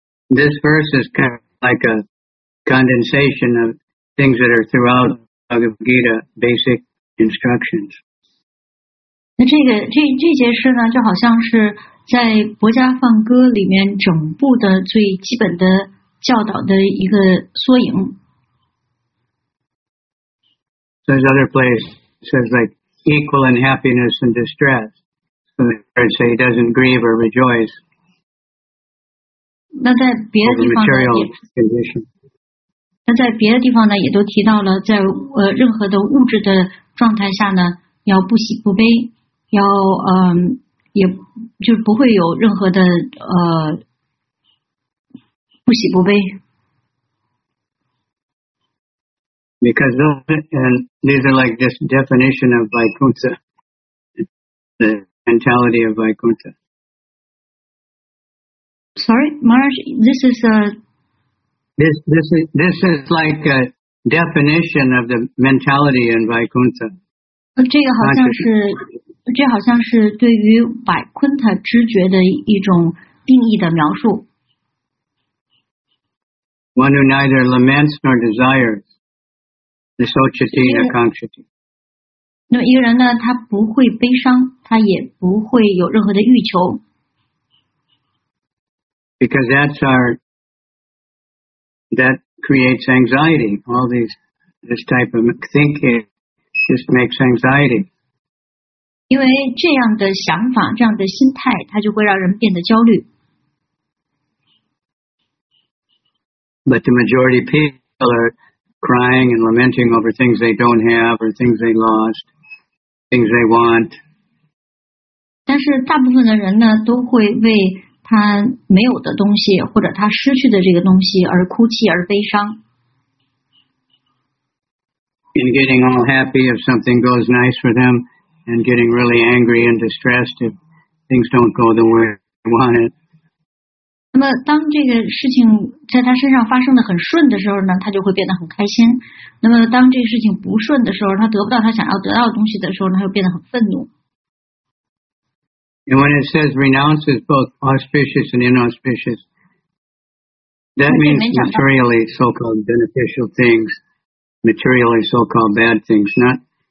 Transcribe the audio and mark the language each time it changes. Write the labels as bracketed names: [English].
[English] This verse is kind of like a condensation of things that are throughout Bhagavad Gita basic instructions. [Chinese] 这节诗呢，就好像是在《博伽梵歌》里面整部的最基本的教导的一个缩影。 [English] There's other place says like equal in happiness and distress. So the verse say he doesn't grieve or rejoice. [Chinese] 那在别的地方呢？那在别的地方呢？也都提到了在，在任何的物质的状态下呢，要不喜不悲。要也就不会有任何的不喜不悲。 [English] Because those, and these are like just definition of Vaikuntha, the mentality of Vaikuntha. Sorry, Maharaj, this is a. This is like a definition of the mentality in Vaikuntha. [Chinese] 这个好像是。这好像是对于百昆塔知觉的一种定义的描述。 [English] One who neither laments nor desires the Sochitina Kanchati. [Chinese] 那么一个人呢，他不会悲伤，他也不会有任何的欲求。 [English] Because that creates anxiety. All this type of thinking just makes anxiety. [Chinese] 因为这样的想法这样的心态它就会让人变得焦虑。 [English] But the majority of people are crying and lamenting over things they don't have or things they lost, things they want. [Chinese] 但是大部分的人呢都会为他没有的东西或者他失去的这个东西而哭泣而悲伤。 [English] In getting all happy if something goes nice for them,And getting really angry and distressed if things don't go the way they want it. [Chinese] 那么当这个事情在他身上发生的很顺的时候呢，他就会变得很开心。那么当这个事情不顺的时候，他得不到他想要得到的东西的时候，他就变得很愤怒。 [English] And when it says renounces both auspicious and inauspicious, that means materially so-called beneficial things, materially so-called bad things, not.